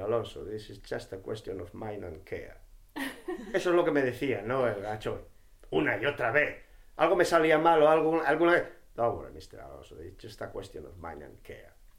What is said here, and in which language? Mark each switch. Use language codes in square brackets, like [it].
[en] Alonso, this is just a question of mind and care. [es] Eso es lo que me decía, ¿no? El gacho, una y otra vez. Algo me salía mal o algo, alguna vez. [en] Don't worry, Mr. Alonso, this is just a question of mind and care.